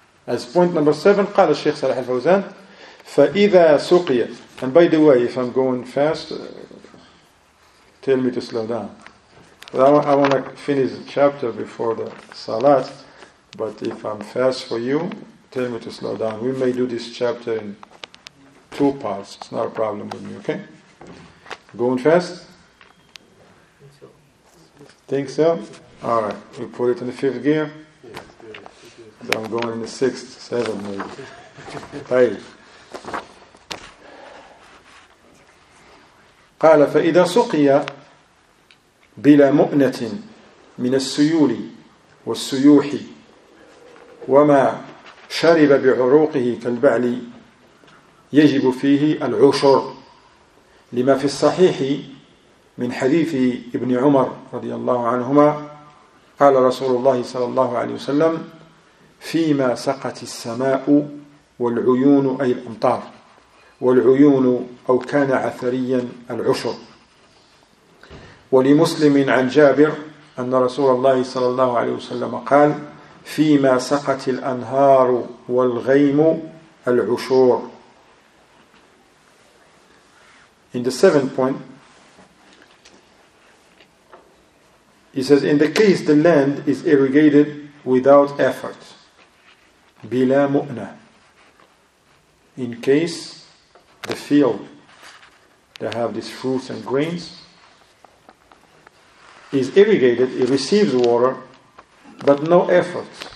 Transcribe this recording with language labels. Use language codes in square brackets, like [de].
[en] As point number 7, [ar] قال الشيخ صالح الفوزان, فإذا سقي. [en] And by the way, if I'm going fast, tell me to slow down. I want to finish the chapter before the Salat, but if I'm fast for you, tell me to slow down. We may do this chapter in 2 parts. It's not a problem with me, okay? Going fast? Think so? Alright, we put it in the 5th gear? So I'm going in the 6th, 7th maybe. Hey. [ar] قال فإذا سقي بلا مؤنة من السيول والسيوح وما شرب بعروقه كالبعل يجب فيه العشر لما في الصحيح من حديث ابن عمر رضي الله عنهما قال رسول الله صلى الله عليه وسلم فيما سقت السماء والعيون أي الأمطار والعيون أو كان عثريا العشر ولمسلم عن جابر أن رسول الله صلى الله عليه وسلم قال فيما سقت الأنهار والغيم العشور. [en] In the 7th point, he says, in the case the land is irrigated without effort, [ar] بلا مؤنة, [en] in case the field that have these fruits and grains is irrigated, it receives water, but no effort.